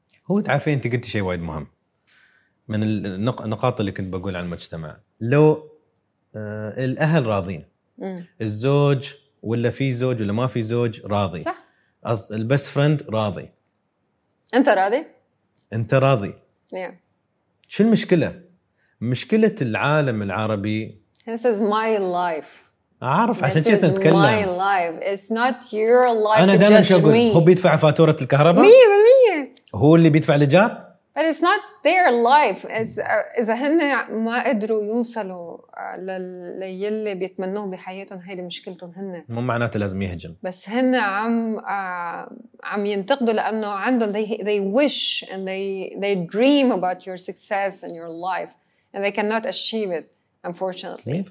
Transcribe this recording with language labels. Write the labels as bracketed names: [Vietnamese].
[Arabic] هو تعرفين انت قلتي شيء وايد مهم من النقاط اللي كنت بقول عن المجتمع لو الاهل راضين الزوج ولا في زوج ولا ما في زوج راضي صح البست فريند راضي انت راضي yeah. شو المشكلة العالم العربي [English] this is my life [Arabic] عارف عشان كيف نتكلم [English] this is my life it's not your life [Arabic] أنا دائما شو أقول هو بيدفع فاتورة الكهرباء 100% هو اللي بيدفع الإيجار [English] but it's not their life [Arabic] إذا هن ما قدروا يوصلوا للي بيتمنوه بحياتهم هيدي مشكلتهم هن مو معناته لازم يهجم بس هن عم ينتقدوا لأنه عندهم [English] they wish and they dream about your success and your life and they cannot achieve it unfortunately